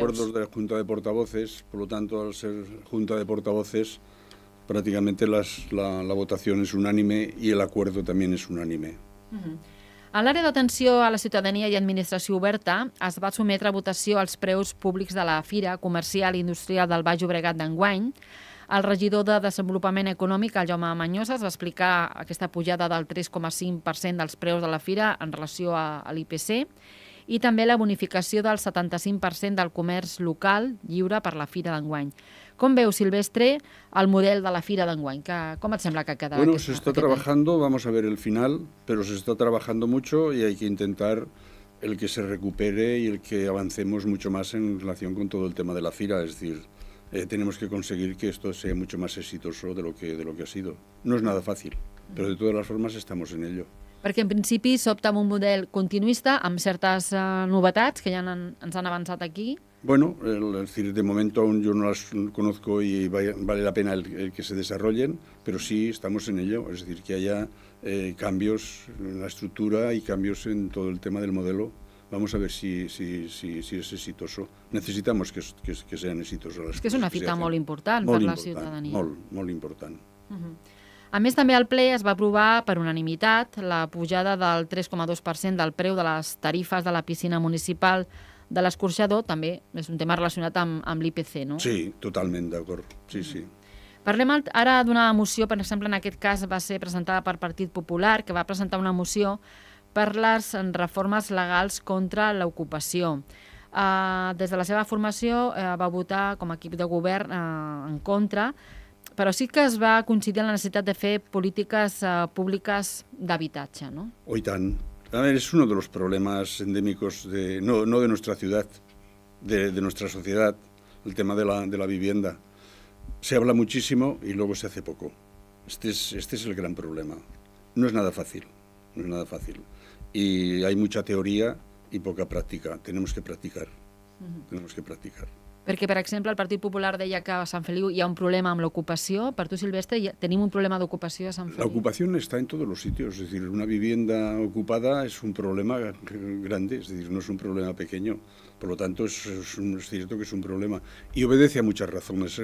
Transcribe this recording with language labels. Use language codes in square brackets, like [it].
[es] Eran acuerdos de la Junta de Portavoces, por lo tanto, al ser Junta de Portavoces, prácticamente la votación es unánime y el acuerdo también es unánime. [ca] A l'àrea d'atenció a la ciutadania i administració oberta es va sotmetre a votació els preus públics de la Fira Comercial i Industrial del Baix Obregat d'enguany. El regidor de Desenvolupament Econòmic, el Jaume Manyoses, va explicar aquesta pujada del 3,5% dels preus de la fira en relació a l'IPC i també la bonificació del 75% del comerç local lliure per la fira d'enguany. Com veu, Silvestre, el model de la fira d'enguany? Com et sembla que ha quedat? [es] Bueno, se está trabajando, vamos a ver el final, pero se está trabajando mucho y hay que intentar el que se recupere y el que avancemos mucho más en relación con todo el tema de la fira, es decir, tenemos que conseguir que esto sea mucho más exitoso de lo que ha sido. No es nada fácil, pero de todas las formas estamos en ello. [ca] Perquè en principi s'opta amb un model continuista, amb certes novetats que ja ens han avançat aquí. [es] Bueno, es decir, de momento aún yo no las conozco y vale la pena el que se desarrollen, pero sí estamos en ello, es decir, que haya cambios en la estructura y cambios en todo el tema del modelo. Vamos a ver si es exitoso. Necesitamos que sean exitosos. [ca] És que és una fita molt important per la ciutadania. Molt, molt important. A més, també el ple es va aprovar per unanimitat la pujada del 3,2% del preu de les tarifes de la piscina municipal de l'escorxador. També és un tema relacionat amb l'IPC, no? Sí, totalment d'acord. Sí, sí. Parlem ara d'una moció, per exemple, en aquest cas va ser presentada per Partit Popular, que va presentar una moció per les reformes legals contra l'ocupació. Des de la seva formació va votar com a equip de govern en contra, però sí que es va coincidir en la necessitat de fer polítiques públiques d'habitatge, no? Oh, i tant. A veure, és un dels problemes endèmics, no de nostra ciutat, de nostra societat, el tema de la [es] vivienda. Se habla muchísimo y luego se hace poco. Este es el gran problema. No es nada fácil, no es nada fácil. Y hay mucha teoría y poca práctica. Tenemos que practicar. Tenemos que practicar. [ca] Perquè, per exemple, el Partit Popular deia que a Sant Feliu hi ha un problema amb l'ocupació. Per tu, Silvestre, tenim un problema d'ocupació a Sant Feliu? L'ocupació està en tots els llocs. És a dir, una [es] vivienda [ca] ocupada és un problema gran, és a dir, no és un problema petit. Per tant, és cert que és un problema. I [es] obedece [ca] a moltes raons.